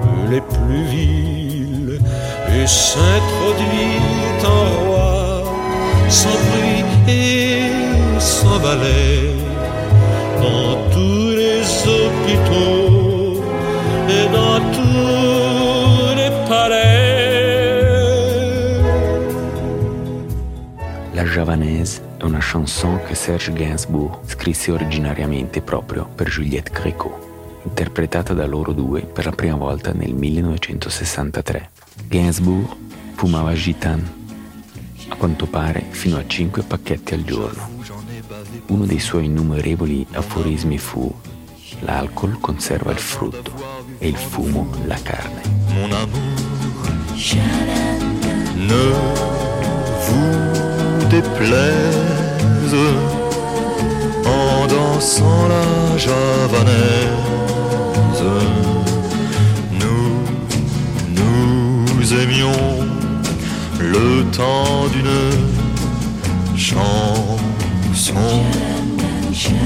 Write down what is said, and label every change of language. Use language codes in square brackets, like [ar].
[fr] les plus viles et s'introduit en roi sans bruit et sans balai dans tous les hôpitaux et dans tous les palais. [it] La Javanaise è una chanson che Serge Gainsbourg scrisse originariamente proprio per Juliette Gréco, interpretata da loro due per la prima volta nel 1963. Gainsbourg fumava gitan, a quanto pare fino a 5 pacchetti al giorno. Uno dei suoi innumerevoli aforismi fu: l'alcol conserva il frutto e il fumo la carne. [fr] Mon amour, ne vous déplaise, en dansant la javanaise, nous aimions le temps d'une chanson.